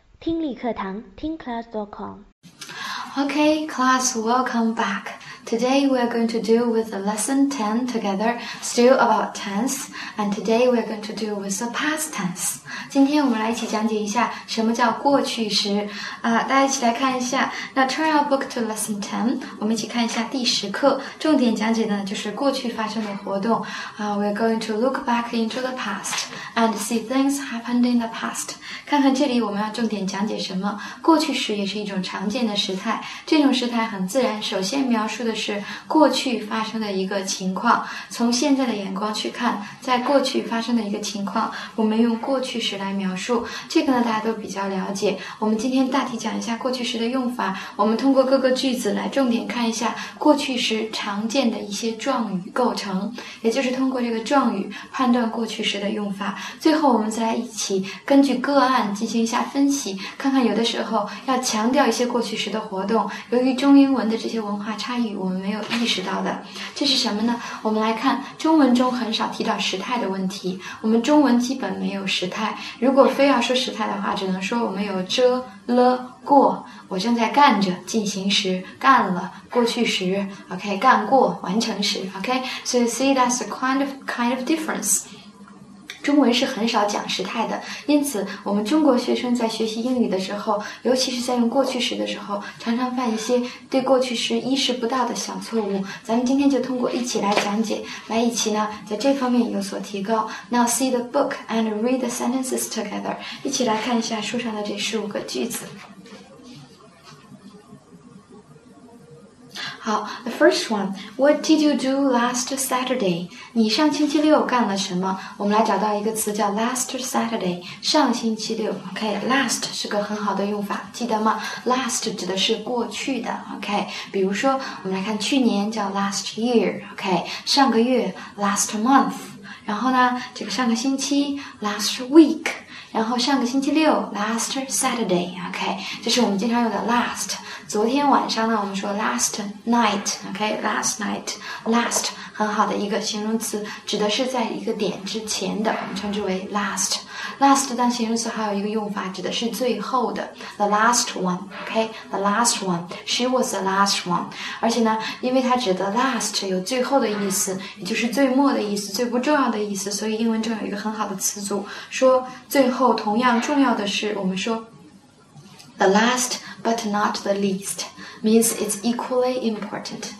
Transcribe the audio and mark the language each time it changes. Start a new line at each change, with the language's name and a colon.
Chinese: 听力课堂，听 class.com。
English: Okay, class, welcome back. Today we are going to deal with the lesson 10 together, still about tense, and today we are going to deal with the past tense.
Chinese: 今天我们来一起讲解一下什么叫过去时。大家一起来看一下。那
English: turn our book to lesson 10,
Chinese: 我们一起看一下第十课。重点讲解的就是过去发生的活动。
English: We are going to look back into the past and see things happened in the past.
Chinese: 看看这里我们要重点讲解什么。过去时也是一种常见的时态。这种时态很自然，首先描述的是过去发生的一个情况。从现在的眼光去看，在过去发生的一个情况，我们用过去时来描述。这个呢，大家都比较了解。我们今天大体讲一下过去时的用法。我们通过各个句子来重点看一下过去时常见的一些状语构成，也就是通过这个状语判断过去时的用法。最后，我们再来一起根据个案进行一下分析，看看有的时候要强调一些过去时的活动，由于中英文的这些文化差异，我们没有意识到的。这是什么呢？我们来看，中文中很少提到时态的问题，我们中文基本没有时态。如果非要说时态的话，只能说我们有遮了过，我正在干着，进行时，干了，过去时 ，OK， 干过，完成时 ，OK。
English: So you see that's a kind of difference.
Chinese: 中文是很少讲时态的，因此我们中国学生在学习英语的时候，尤其是在用过去时的时候，常常犯一些对过去时意识不到的小错误。咱们今天就通过一起来讲解，来一起呢在这方面有所提高。
English: Now see the book and read the sentences together，
Chinese: 一起来看一下书上的这十五个句子。
English: 好 ，the first one. What did you do last Saturday?
Chinese: 你上星期六干了什么？我们来找到一个词叫 last Saturday， 上星期六。 OK， last 是个很好的用法，记得吗 ？Last 指的是过去的。 OK， 比如说我们来看去年叫 last year。 OK， 上个月 last month， 然后呢，这个上个星期 last week。然后上个星期六 last Saturday， OK， 这是我们经常用的 last。昨天晚上呢，我们说 last night， OK， last night， last 很好的一个形容词，指的是在一个点之前的，我们称之为 last。 last 当形容词还有一个用法，指的是最后的，
English: the last one， OK， the last one，
Chinese: she was the last one。而且呢，因为它指的 last 有最后的意思，也就是最末的意思，最不重要的意思，所以英文中有一个很好的词组，说最后同样重要的是，我们说
English: the last but not the least means it's equally important。